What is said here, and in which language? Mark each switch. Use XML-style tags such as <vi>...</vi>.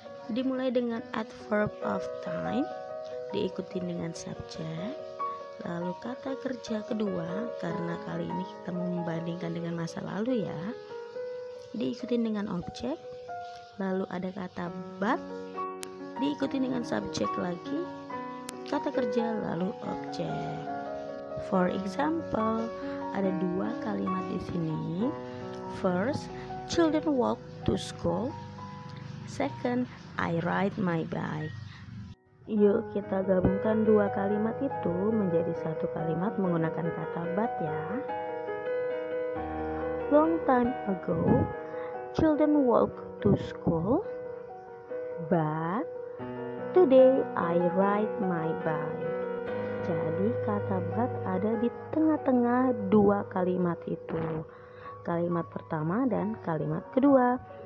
<id>Dimulai dengan</id> <en>adverb of time,</en> <id>diikuti dengan subject, lalu kata kerja kedua, karena kali ini kita membandingkan dengan masa lalu ya, diikuti dengan objek, lalu ada kata but, diikuti dengan subject lagi, kata kerja, lalu objek.</id> <en>For example,</en> <id>ada dua kalimat di sini.</id> <en>First, children walk to school. Second, I ride my bike.</en> <id>Yuk, kita gabungkan dua kalimat itu menjadi satu kalimat menggunakan kata but ya.</id> <en>Long time ago, children walk to school, but today I ride my bike.</en> <id>Jadi kata but ada di tengah-tengah dua kalimat itu, kalimat pertama dan kalimat kedua.</id>